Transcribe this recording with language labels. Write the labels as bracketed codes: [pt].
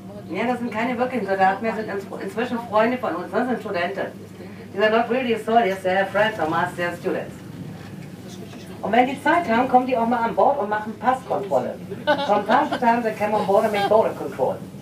[de] Ja, das sind keine wirklichen Soldaten, wir sind inzwischen Freunde von uns, das sind Studenten. [en] These are not really soldiers, they are friends or master students. [de] Und wenn die Zeit haben, kommen die auch mal an Bord und machen Passkontrolle. [en] From time to time, they come on board and make border control.